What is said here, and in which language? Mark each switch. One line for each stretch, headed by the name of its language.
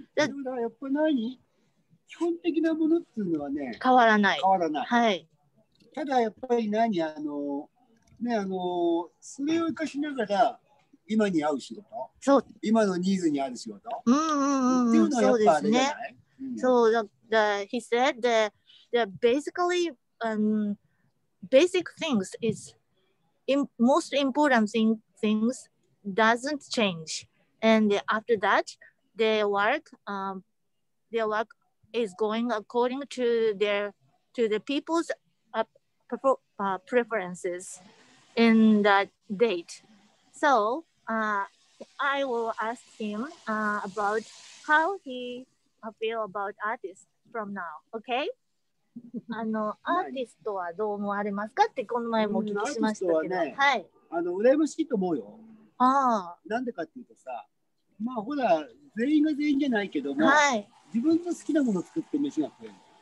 Japanese: だからやっぱり何基本的なものっていうのはね。変わらない。変わらない。はい。ただやっぱり何ね、それを生かしながら今に合う仕事、そう今のニーズに合う仕事、うんうんうん、っていうのはやっぱあれじゃない？そうですね。うん、
English: so he said that basically basic things is most important things doesn't change, and after that their work is going according to the people's preferences. In that date, so I will ask him about how he feel about artists from now. Okay?
Japanese: アーティストはどう思われますかってこの前も聞きしましたけど、アーティストはね、はい、羨ましいと思うよ。ああ、なんでかっていうとさ、まあほら全員が全員じゃないけども、はい、自分の好きなものを作って飯が食えない。